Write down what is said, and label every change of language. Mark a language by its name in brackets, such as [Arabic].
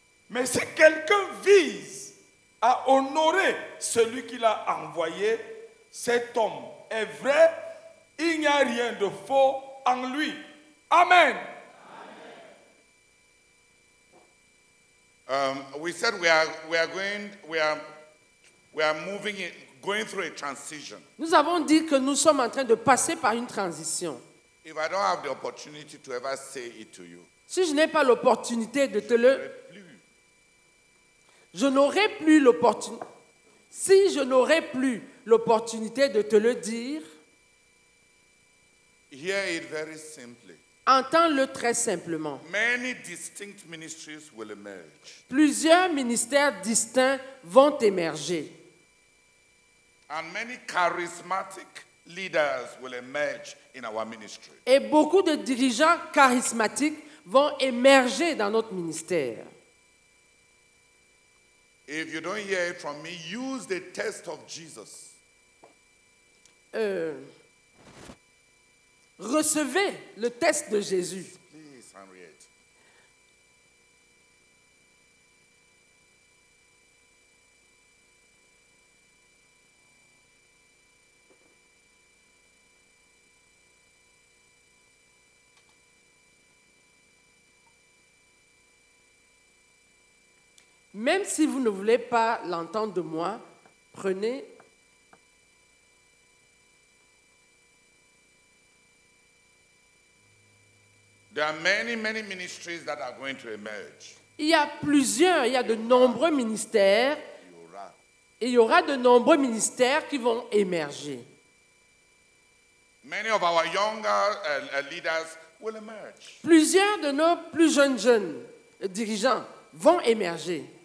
[French] Mais si quelqu'un vise à honorer celui qui l'a envoyé, cet homme est vrai, il n'y a rien de faux en lui. Amen. [English] Amen. We said we are going through a transition. [French] Nous avons dit que nous sommes en train de passer par une transition. [English] If I don't have the opportunity to ever say it to you. [French] Si je n'ai pas l'opportunité de te le je n'aurai plus l'opportunité de te le dire. [English] Hear it very simply. [French] Entends-le très simplement. [English] Many distinct ministries will emerge. [French] Plusieurs ministères distincts vont émerger. [English] And many charismatic leaders will emerge in our ministry. [French] Et beaucoup de dirigeants charismatiques vont émerger dans notre ministère. [English] If you don't hear it from me, use the test of Jesus. [French] Recevez le test de Jésus. [English] Please, Henriette. [French] Même si vous ne voulez pas l'entendre de moi, prenez. [English] There are many, many ministries that are going to emerge. [French] Il y a plusieurs, il y a de nombreux ministères. Il y aura de nombreux ministères qui vont émerger. [English] Many of our younger leaders will emerge. [French] Plusieurs de nos plus jeunes dirigeants vont émerger.